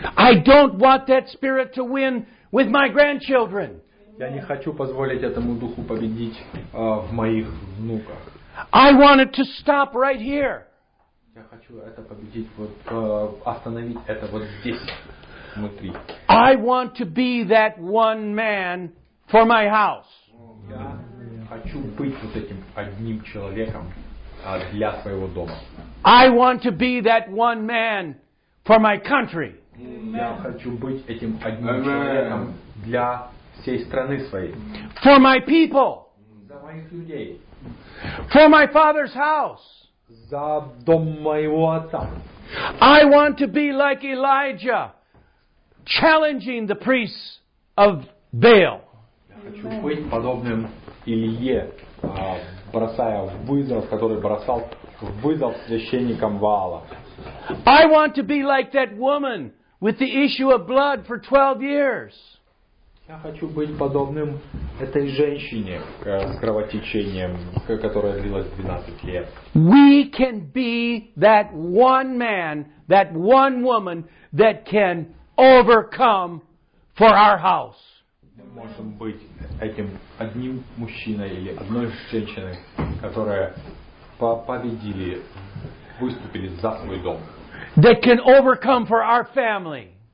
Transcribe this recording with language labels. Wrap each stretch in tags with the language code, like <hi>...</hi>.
<en>I don't want that spirit to win with my grandchildren.</en> <ru>Я не хочу позволить этому духу победить в моих внуках.</ru> <en>I want it to stop right here.</en> <ru>Я хочу это победить, вот остановить это вот здесь внутри.</ru> <en>I want to be that one man for my house.</en> <ru>Хочу быть вот этим одним человеком для своего дома.</ru> <en>I want to be that one man for my country. Amen.</en> <ru>Я хочу быть этим одним Amen. Человеком для всей страны своей.</ru> <en>For my people.</en> <ru>За моих людей.</ru> <en>For my father's house.</en> <ru>За дом моего отца.</ru> <en>I want to be like Elijah, challenging the priests of Baal.</en> <ru>Хочу быть подобным Илье, бросая вызов, который бросал вызов священникам Ваала.</ru> <en>I want to be like that woman with the issue of blood for 12 years.</en> <ru>Я хочу быть подобным этой женщине с кровотечением, которая длилась 12 лет.</ru> <en>We can be that one man, that one woman that can overcome for our house.</en> <ru>Можем быть этим одним мужчиной или одной женщиной, которые победили, выступили за свой дом.</ru> <en>that can overcome for our family.</en>